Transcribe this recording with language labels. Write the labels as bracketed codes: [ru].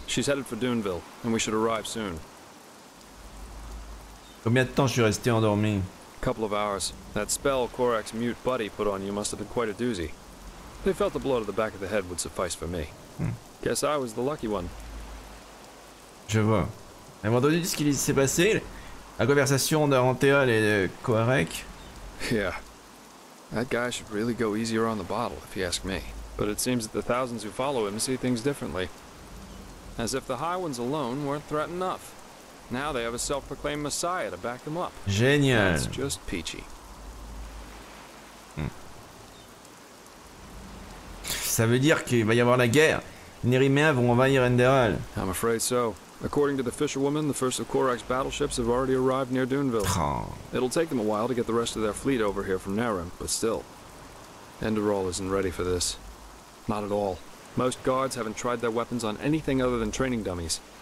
[en] She's headed for Duneville, and we should arrive soon. [fr] Combien de temps je suis resté endormi? [en] Couple of hours. That spell Korak's mute buddy put on you must have been quite a doozy. They felt the blow to the back of the head would suffice for me. Guess I was the lucky one. [fr] Je vois. À un moment donné, ce qui s'est passé, la conversation d'Aranthéol et de Korak. [en] Yeah. That guy should really go easier on the bottle, if you ask me. But it seems that the thousands who follow him see things differently. As if the High Ones alone weren't threat enough. Now they have a self-proclaimed messiah to back them up. [fr] Génial. [en] That's just peachy. [fr] Ça veut dire qu'il va y avoir la guerre. Les Nériméens vont envahir Enderal. [en] I'm afraid so. According to the fisherwoman, the first of Korak's battleships have already arrived near Duneville. It'll take them a while to get the rest of their fleet over here from Nerim, but still. Enderal isn't ready for this. Not at all. Most guards haven't tried their weapons on anything other than training dummies.